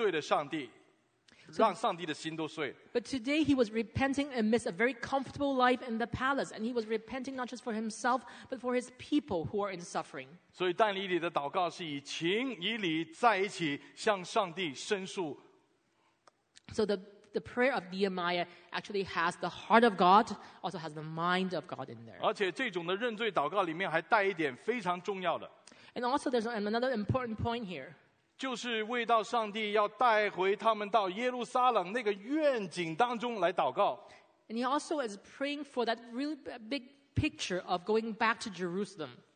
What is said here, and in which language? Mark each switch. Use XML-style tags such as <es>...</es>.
<zh>但是今天他是在王宫一个很舒适、很安全、很安逸的一个情况底下，他悔改，他知道他和他的祖父和他的这个的同胞得罪了上帝，让上帝的心都碎。</zh> <en>But today he was repenting amidst a very comfortable life in the palace, and he was repenting not just for himself, but for his people who are in suffering.</en> <zh>所以但以理的祷告是以情以理在一起向上帝申诉。</zh> <en>So the prayer of Nehemiah actually has the heart of God, also has the mind of God in there.</en> <zh>而且这种的认罪祷告里面还带一点非常重要的。</zh> <en>And also there's another important point here.</en> <zh>就是为到上帝要带回他们到耶路撒冷那个愿景当中来祷告。</zh> <en>And he also is praying for that really big picture of going back to Jerusalem.</en>